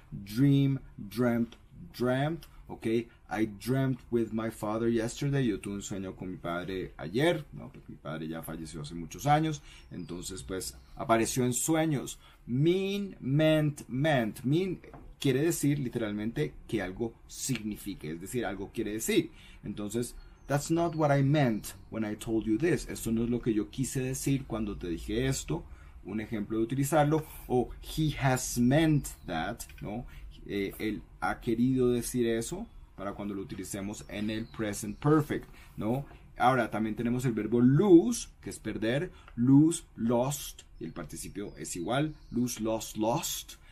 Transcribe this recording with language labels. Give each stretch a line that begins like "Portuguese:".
English: Dream, dreamt, dreamt, ¿ok? I dreamt with my father yesterday.
Spanish: Yo tuve un sueño con mi padre ayer, ¿no? Porque mi padre ya falleció hace muchos años. Entonces, pues, apareció en sueños. Mean, meant, meant. Mean quiere decir literalmente que algo signifique, es decir, algo quiere decir.
English: Entonces, that's not what I meant when I told you this.
Spanish: Esto no es lo que yo quise decir cuando te dije esto. Un ejemplo de utilizarlo. O
English: he has meant that,
Spanish: ¿no? Él ha querido decir eso. Para cuando lo utilicemos en el present perfect, ¿no? Ahora también tenemos el verbo lose, que es perder, lose, lost, y el participio es igual, lose, lost, lost.